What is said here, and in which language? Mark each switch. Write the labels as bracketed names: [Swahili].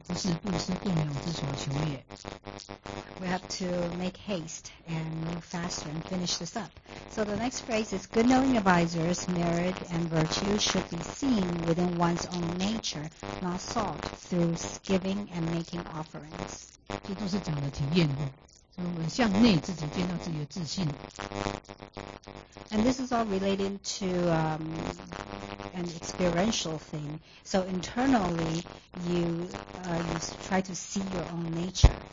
[Chinese] 好，我们接着讲下面呢，要赶快把解决哈。善知识功德须自性内见，不是布施供养之所求也。 [English] We have to make haste and move faster and finish this up. So the next phrase is, good knowing advisors, merit and virtue should be seen within one's own nature, not sought through giving and making offerings. [Chinese] 这都是讲的体验，所以我们向内自己见到自己的自信。 [English] And this is all related to an experiential thing. So internally, you try to see your own nature.